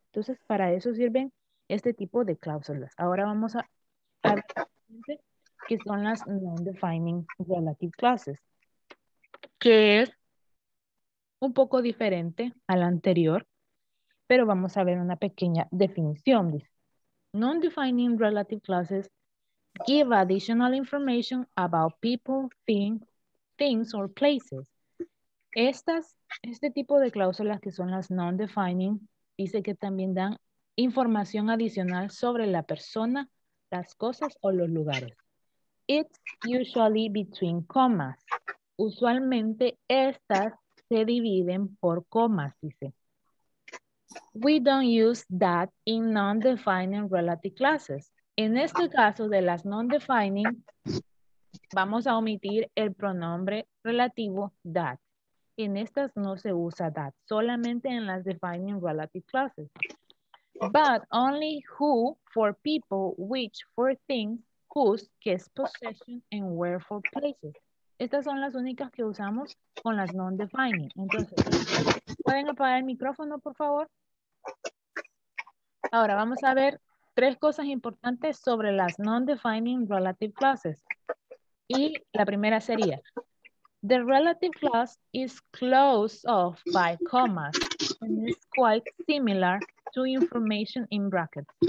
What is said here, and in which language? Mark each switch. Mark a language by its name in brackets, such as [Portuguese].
[Spanish] Entonces, para eso sirven este tipo de cláusulas. Ahora vamos a ver qué son las non-defining relative clauses, que es un poco diferente a la anterior, pero vamos a ver una pequeña definición. [English] Non-defining relative clauses give additional information about people, things or places. [Spanish] Este tipo de cláusulas que son las non-defining dice que también dan información adicional sobre la persona, las cosas o los lugares. [English] It's usually between commas. [Spanish] Usualmente estas se dividen por comas, dice. [English] We don't use that in non-defining relative clauses. [Spanish] En este caso de las non-defining, vamos a omitir el pronombre relativo that. En estas no se usa that, solamente en las defining relative clauses. [English] But only who for people, which for things, whose, [Spanish] que es [English] possession, and where for places. [Spanish] Estas son las únicas que usamos con las non-defining. Entonces, ¿pueden apagar el micrófono, por favor? Ahora vamos a ver tres cosas importantes sobre las non-defining relative clauses. Y la primera sería, [English] the relative clause is closed off by commas and is quite similar to information in brackets.